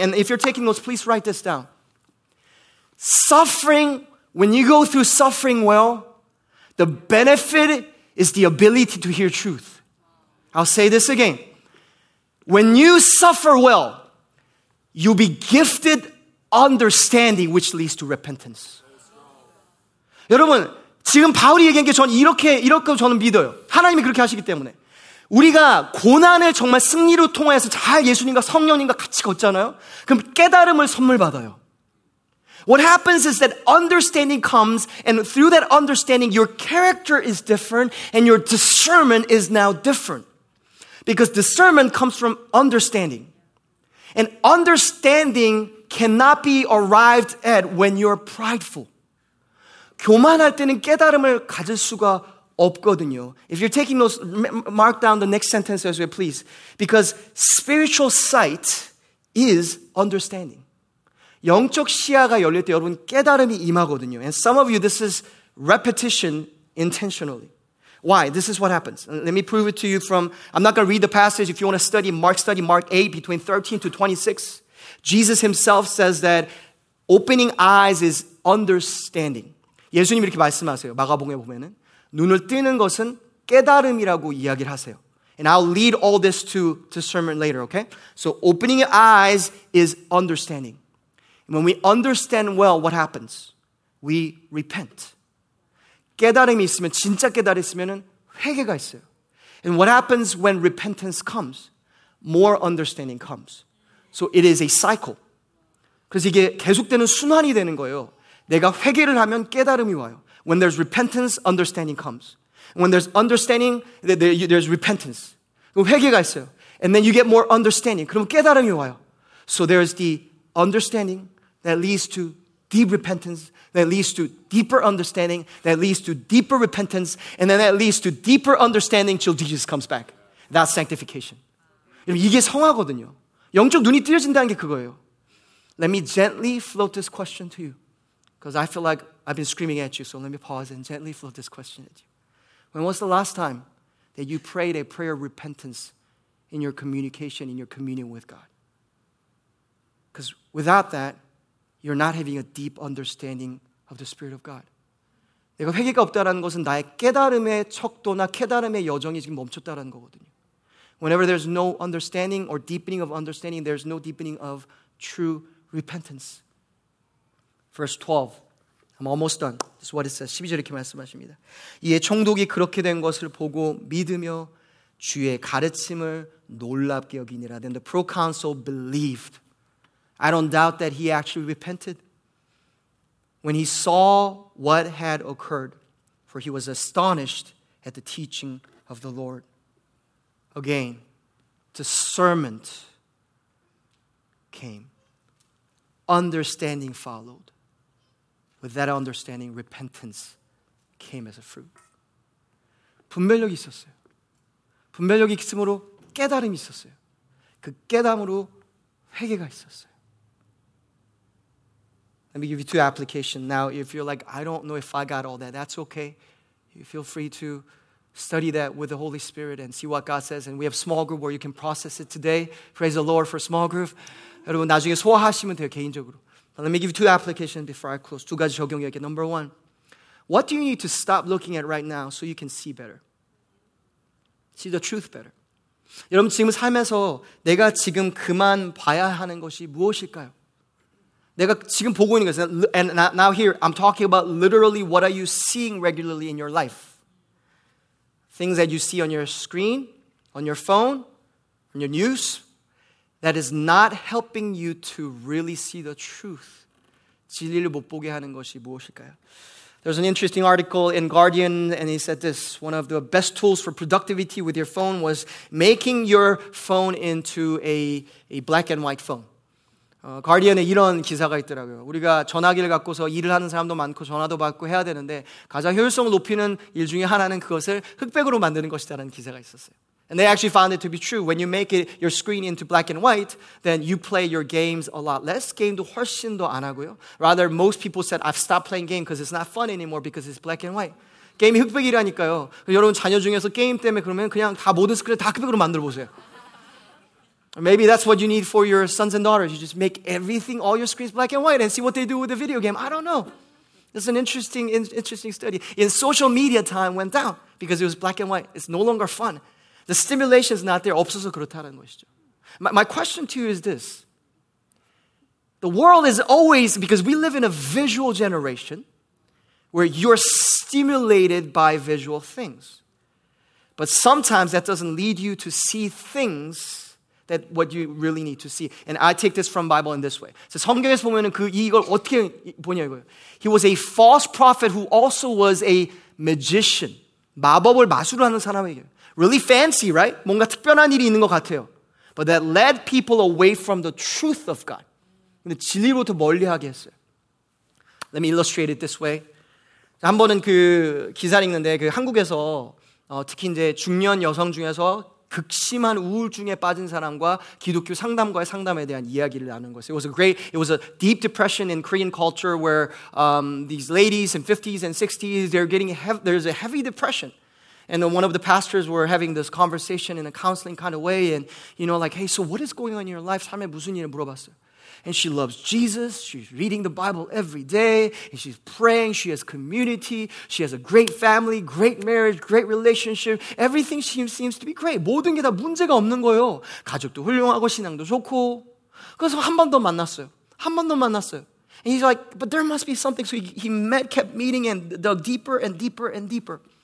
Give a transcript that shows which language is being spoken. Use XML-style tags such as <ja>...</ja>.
<en>And if you're taking notes, please write this down. Suffering, when you go through suffering well, the benefit is the ability to hear truth. I'll say this again. When you suffer well, you'll be gifted understanding, which leads to repentance.</en> <ko>여러분, 지금 바울이 얘기한 게 저는 이렇게 저는 믿어요. 하나님이 그렇게 하시기 때문에. 우리가 고난을 정말 승리로 통해서 잘 예수님과 성령님과 같이 걷잖아요. 그럼 깨달음을 선물 받아요.</ko> <en>What happens is that understanding comes, and through that understanding, your character is different, and your discernment is now different. Because discernment comes from understanding. And understanding cannot be arrived at when you're prideful.</en> <ko>교만할 때는 깨달음을 가질 수가 없거든요.</ko> <en>If you're taking notes, mark down the next sentence as well, please. Because spiritual sight is understanding.</en> <ko>영적 시야가 열릴 때 여러분 깨달음이 임하거든요.</ko> <en>And some of you, this is repetition intentionally. Why? This is what happens. Let me prove it to you from, I'm not going to read the passage. If you want to study Mark 8 between 13 to 26. Jesus himself says that opening eyes is understanding.</en> <ko>예수님 이렇게 말씀하세요. 마가복음에 보면은 눈을 뜨는 것은 깨달음이라고 이야기를 하세요.</ko> <en>And I'll lead all this to discernment later, okay? So opening your eyes is understanding. When we understand well what happens, we repent.</en> <ko>깨달음이 있으면, 진짜 깨달음이 있으면 회개가 있어요.</ko> <en>And what happens when repentance comes? More understanding comes. So it is a cycle.</en> <ko>그래서 이게 계속되는 순환이 되는 거예요. 내가 회개를 하면 깨달음이 와요.</ko> <en>When there's repentance, understanding comes. When there's understanding, there's repentance.</en> <ko>그럼 회개가 있어요.</ko> <en>And then you get more understanding.</en> <ko>그럼 깨달음이 와요.</ko> <en>So there's the understanding that leads to deep repentance, that leads to deeper understanding, that leads to deeper repentance, and then that leads to deeper understanding till Jesus comes back. That's sanctification.</en> <ko>여러분, 이게 성화거든요. 영적 눈이 뜨여진다는 게 그거예요.</ko> <en>Let me gently float this question to you. Because I feel like I've been screaming at you, so let me pause and gently float this question at you. When was the last time that you prayed a prayer of repentance in your communication, in your communion with God? Because without that, you're not having a deep understanding of the Spirit of God.</en> <ko>내가 회개가 없다라는 것은 나의 깨달음의 척도나 깨달음의 여정이 지금 멈췄다라는 거거든요.</ko> <en>Whenever there's no understanding or deepening of understanding, there's no deepening of true repentance. Verse 12. I'm almost done. This is what it says.</en> <ko>12절 이렇게 말씀하십니다. 이에 총독이 그렇게 된 것을 보고 믿으며 주의 가르침을 놀랍게 여기니라.</ko> <en>Then the proconsul believed. I don't doubt that he actually repented. When he saw what had occurred, for he was astonished at the teaching of the Lord. Again, discernment came. Understanding followed. With that understanding, repentance came as a fruit.</en> <ko>분별력이 있었어요. 분별력이 있으므로 깨달음이 있었어요. 그 깨달음으로 회개가 있었어요.</ko> <en>Let me give you two applications. Now, if you're like, I don't know if I got all that, that's okay. You feel free to study that with the Holy Spirit and see what God says. And we have small group where you can process it today. Praise the Lord for small group.</en> <ko>여러분, 나중에 소화하시면 돼요, 개인적으로.</ko> <en>But let me give you two applications before I close.</en> <ko>두 가지 적용해야 돼.</ko> <en>Number one, what do you need to stop looking at right now so you can see better? See the truth better.</en> <ko>여러분, 지금 삶에서 내가 지금 그만 봐야 하는 것이 무엇일까요? 내가 지금 보고 있는 것은,</ko> <en>and now here, I'm talking about literally what are you seeing regularly in your life. Things that you see on your screen, on your phone, on your news, that is not helping you to really see the truth.</en> <ko>진리를 못 보게 하는 것이 무엇일까요?</ko> <en>There's an interesting article in Guardian, and he said this, one of the best tools for productivity with your phone was making your phone into a black and white phone.</en> <ko>Guardian에 이런 기사가 있더라고요. 우리가 전화기를 갖고서 일을 하는 사람도 많고 전화도 받고 해야 되는데 가장 효율성을 높이는 일 중에 하나는 그것을 흑백으로 만드는 것이라는 기사가 있었어요.</ko> <en>And they actually found it to be true. When you make it, your screen into black and white, then you play your games a lot less.</en> <ko>게임도 훨씬 더 안 하고요.</ko> <en>Rather, most people said, I've stopped playing game because it's not fun anymore because it's black and white.</en> <ko>게임이 흑백이라니까요. 여러분 자녀 중에서 게임 때문에 그러면 그냥 다 모든 스크린 다 흑백으로 만들어 보세요.</ko> <en>Maybe that's what you need for your sons and daughters. You just make everything, all your screens black and white and see what they do with the video game. I don't know. It's an interesting study. In social media, time went down because it was black and white. It's no longer fun. The stimulation is not there.</en> <ko>없어서 그렇다는 것이죠.</ko> <en>My question to you is this. The world is always, because we live in a visual generation where you're stimulated by visual things. But sometimes that doesn't lead you to see things that what you really need to see. And I take this from Bible in this way.</en> <ko>So 성경에서 보면은 그 이걸 어떻게 보냐 이거예요.</ko> <en>He was a false prophet who also was a magician.</en> <ko>마법을 마술을 하는 사람이에요.</ko> <en>Really fancy, right?</en> <ko>뭔가 특별한 일이 있는 것 같아요.</ko> <en>But that led people away from the truth of God.</en> <ko>근데 진리로부터 멀리하게 했어요.</ko> <en>Let me illustrate it this way.</en> <ko>한 번은 그 기사를 읽는데 그 한국에서 특히 이제 중년 여성 중에서 극심한 우울증에 빠진 사람과 기독교 상담과의 상담에 대한 이야기를 나눈 것이에요.</ko> <en>It was a deep depression in Korean culture where these ladies in 50s and 60s, there's a heavy depression. And then one of the pastors were having this conversation in a counseling kind of way and, you know, like, hey, so what is going on in your life?</en> <ko>삶에 무슨 일을 물어봤어요.</ko> <en>And she loves Jesus, she's reading the Bible every day, and she's praying, she has community, she has a great family, great marriage, great relationship, everything seems to be great.</en> <ko>모든 게 다 문제가 없는 거예요. 가족도 훌륭하고 신앙도 좋고. 그래서 한 번 더 만났어요. 한 번 더 만났어요.</ko> <en>And he's like, but there must be something. So he kept meeting and dug deeper and deeper and deeper.</en>